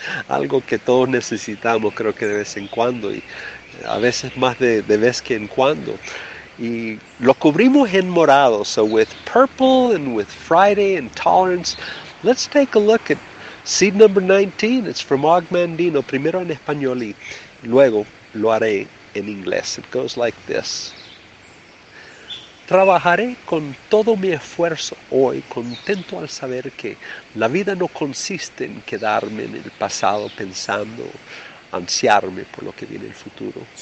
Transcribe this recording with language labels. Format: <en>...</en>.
<es>Algo que todos necesitamos, creo que de vez en cuando. Y a veces más de vez que en cuando. Y lo cubrimos en morado.</es> <en>So with purple and with Friday and tolerance, let's take a look at seed number 19. It's from Og Mandino.</en> <es>Primero en español y luego lo haré en inglés.</es> <en>It goes like this.</en> <es>Trabajaré con todo mi esfuerzo hoy, contento al saber que la vida no consiste en quedarme en el pasado pensando, ansiarme por lo que viene en el futuro.</es>